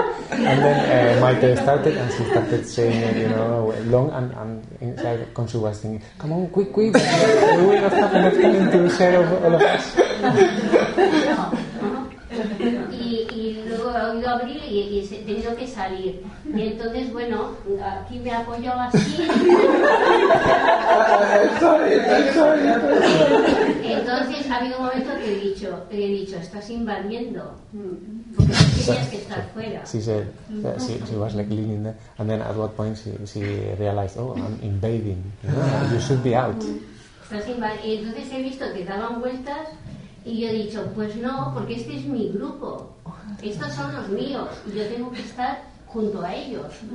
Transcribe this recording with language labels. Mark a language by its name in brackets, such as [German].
[English] And then Maite started, and she started saying, you know, long, and inside Consu was thinking, come on, quick, we will not have enough time to share of all of us. [Spanish] Y luego he oído abrir y he tenido que salir. Y entonces, bueno, aquí me apoyo así. Entonces ha habido un momento que he dicho, estás invadiendo. [English] She was like leaning there, and then at what point she realized, oh, I'm invading, you should be out. [Spanish] Y entonces he visto que daban vueltas y yo he dicho, pues no, porque este es mi grupo, estos son los míos y yo tengo que estar junto a ellos.